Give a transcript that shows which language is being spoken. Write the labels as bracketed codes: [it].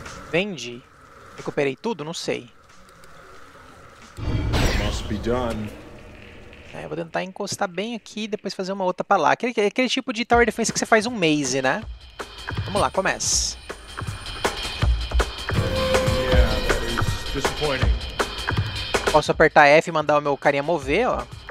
[pt] Vendi. Recuperei tudo? Não sei. [en] Must be done. [pt] É, eu vou tentar encostar bem aqui e depois fazer uma outra pra lá. Aquele tipo de tower defense que você faz um maze, né? Vamos lá, começa. [en] Yeah, that is disappointing. [pt] Posso apertar F e mandar o meu carinha mover, ó.